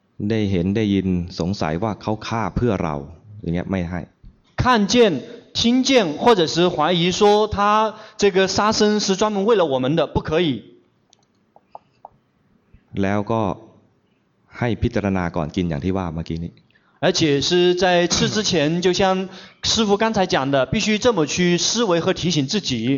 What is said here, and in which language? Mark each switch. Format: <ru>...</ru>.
<th>ได้เห็นได้ยินสงสัยว่าเขาฆ่าเพื่อเราอย่างเงี้ยไม่ให้</th> <zh>看见听见或者是怀疑说他这个杀生是专门为了我们的不可以</zh> <th>แล้วก็ให้พิจารณาก่อนกินอย่างที่ว่าเมื่อกี้นี้</th> <zh>而且是在吃之前就像师父刚才讲的必须这么去思维和提醒自己</zh>